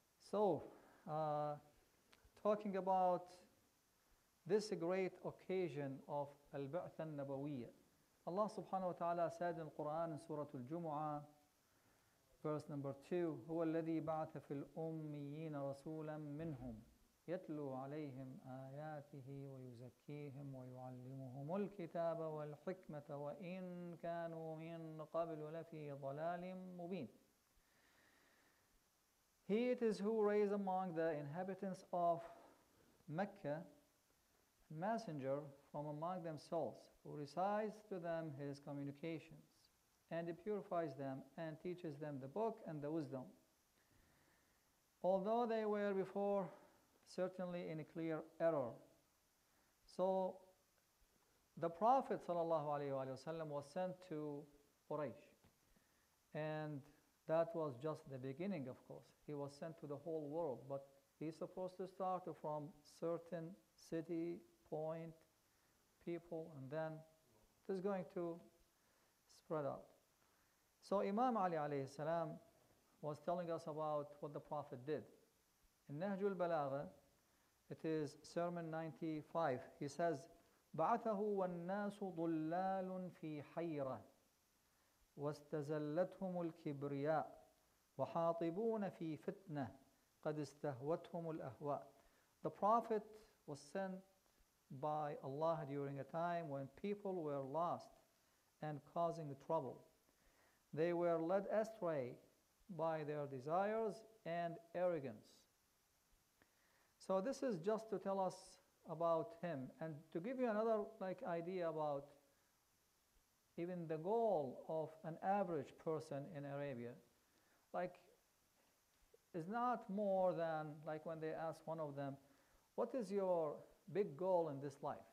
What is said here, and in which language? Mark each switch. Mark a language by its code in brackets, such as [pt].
[en] So talking about this great occasion of Al-Ba'tha al-Nabawiyya, Allah subhanahu wa ta'ala said in Quran in Surah Al-Jumu'ah, verse number 2, [ar] هو الذي بعث في الأميين رسولا منهم يتلو عليهم آياته ويزكيهم ويعلمهم الكتاب والحكمة وإن كانوا من قبل لفي ضلال مبين. [en] He it is who raised among the inhabitants of Mecca a messenger from among themselves who recites to them his communications and purifies them and teaches them the book and the wisdom. Although they were before certainly in a clear error. So the Prophet ﷺ was sent to Quraysh. And that was just the beginning, of course. He was sent to the whole world, but he's supposed to start from certain city, point, people, and then it is going to spread out. So Imam Ali alayhi salam was telling us about what the Prophet did. In Nahjul Balagha, it is Sermon 95, he says, [ar] بَعَثَهُ وَالنَّاسُ ضُلَّالٌ فِي حَيْرَةٍ واستزلتهم الكبرياء وحاطبون في فتنة قد استهوتهم الأهواء. [en] The Prophet was sent by Allah during a time when people were lost and causing trouble. They were led astray by their desires and arrogance. So this is just to tell us about him and to give you another like idea about even the goal of an average person in Arabia, like, is not more than, like when they ask one of them, what is your big goal in this life?